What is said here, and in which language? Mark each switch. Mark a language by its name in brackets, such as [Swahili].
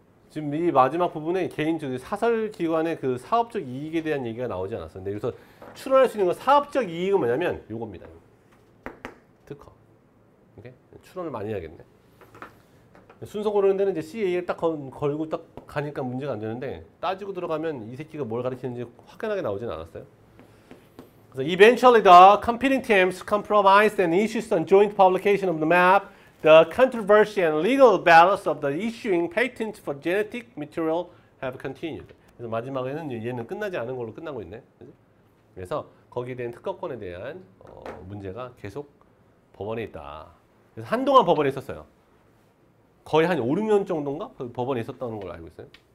[Korean] 지금 이 마지막 부분에 개인적인 사설 기관의 그 사업적 이익에 대한 얘기가 나오지 않았었는데 여기서 추론할 수 있는 건 사업적 이익은 뭐냐면 이겁니다. 특허. 오케이? 추론을 많이 해야겠네. 순서 고르는데는 이제 CA를 딱 걸고 딱 가니까 문제가 안 되는데 따지고 들어가면 이 새끼가 뭘 가르치는지 확연하게 나오진 않았어요. [English] So eventually, the competing teams compromised and issued a joint publication of the map, the controversy and legal battles of the issuing patents for genetic material have continued. [Korean] 그래서 마지막에는 얘는 끝나지 않은 걸로 끝나고 있네. 그래서 거기에 대한 특허권에 대한 문제가 계속 법원에 있다. 그래서 한동안 법원에 있었어요. 거의 한 5, 6년 정도인가 법원에 있었다는 걸 알고 있어요.